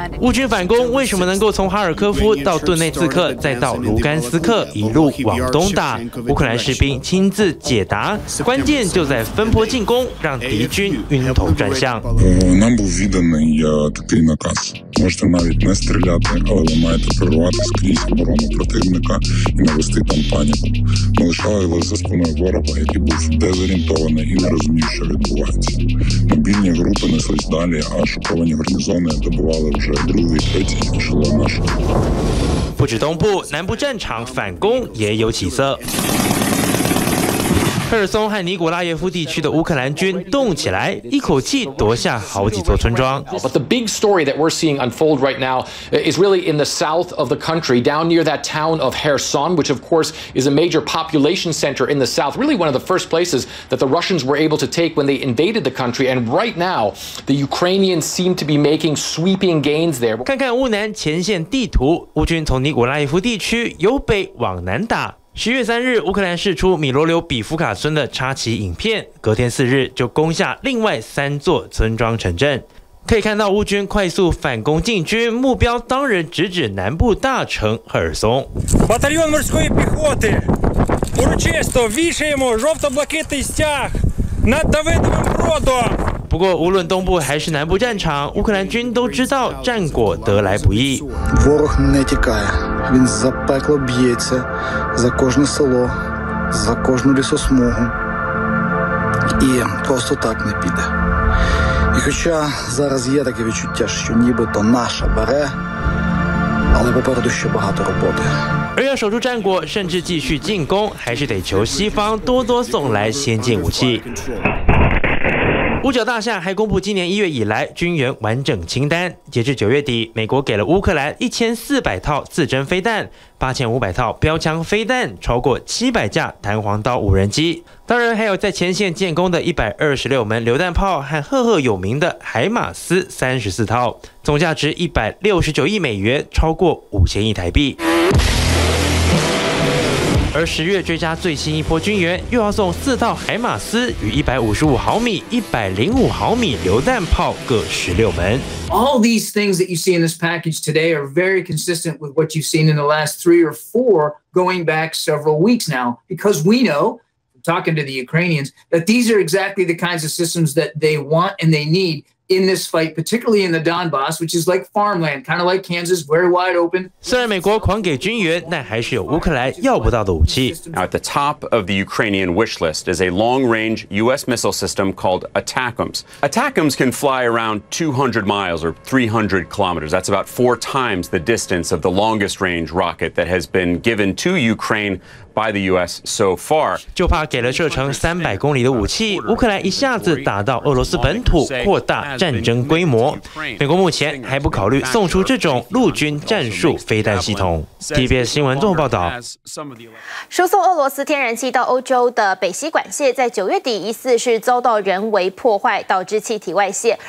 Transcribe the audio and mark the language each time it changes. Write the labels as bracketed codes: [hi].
[zh] 乌军反攻为什么能够从哈尔科夫到顿内茨克，再到卢甘斯克，一路往东打？乌克兰士兵亲自解答，关键就在分坡进攻。让敌军晕头转向。 [uk] Нам був відданий я такий наказ. Можете навіть не стріляти, але ви маєте прорвати скрізь оборону противника і навести там паніку. Ми лишали за спиною ворога, який був дезорієнтований і не розумів, що відбувається. Мобільні групи неслись далі, а шоковані гарнізони добували вже другий, третій ешелон нашого. [zh] 不止东部，南部战场反攻也有起色。赫尔松和尼古拉耶夫地区的乌克兰军动起来，一口气夺下好几座村庄。 [en] But the big story that we're seeing unfold right now is really in the south of the country, down near that town of Kherson, which of course is a major population center in the south. Really one of the first places that the Russians were able to take when they invaded the country. And right now, the Ukrainians seem to be making sweeping gains there. [zh] 看看乌南前线地图，乌军从尼古拉耶夫地区由北往南打。 10月3日，乌克兰释出米罗留比夫卡村的插旗影片，隔天4日就攻下另外三座村庄城镇。可以看到乌军快速反攻进军，目标当然直指南部大城赫尔松。 [uk] Батальйон морської піхоти урочисто вішаємо жовто-блакитний стяг над Давидовим Бродом。 [zh] 不过，无论东部还是南部战场，乌克兰军都知道战果得来不易。 [uk] Ворог не тікає, він за пекло б'ється, за кожне село, за кожну лісосмугу, і просто так не піде. І хоча зараз є таке відчуття, що нібито наша бере, але попереду ще багато роботи。 [zh] 而要守住战果，甚至继续进攻，还是得求西方多多送来先进武器。五角大厦还公布今年1月以来军援完整清单，截至9月底，美国给了乌克兰1400套自针飞弹、8500套标枪飞弹、超过700架弹簧刀无人机，当然还有在前线建功的126门榴弹炮和赫赫有名的海马斯34套，总价值169亿美元，超过5000亿台币。而10月追加最新一波军援，又要送4套海马斯与155毫米、105毫米榴弹炮各16门。 [en] All these things that you see in this package today are very consistent with what you've seen in the last 3 or 4, going back several weeks now. Because we know, talking to the Ukrainians, that these are exactly the kinds of systems that they want and they need in this fight, particularly in the Donbas, which is like farmland, kind of like Kansas, very wide open. [zh] 虽然美国狂给军援，但还是有乌克兰要不到的武器。 [en] Now, at the top of the Ukrainian wish list is a long-range U.S. missile system called ATACMS. ATACMS can fly around 200 miles or 300 kilometers. That's about 4 times the distance of the longest-range rocket that has been given to Ukraine. By the U.S. so far, [zh] 就怕给了射程300公里的武器，乌克兰一下子打到俄罗斯本土，扩大战争规模。美国目前还不考虑送出这种陆军战术飞弹系统。 TVBS 新闻综合报道。输送俄罗斯天然气到欧洲的北溪管线，在9月底疑似是遭到人为破坏，导致气体外泄。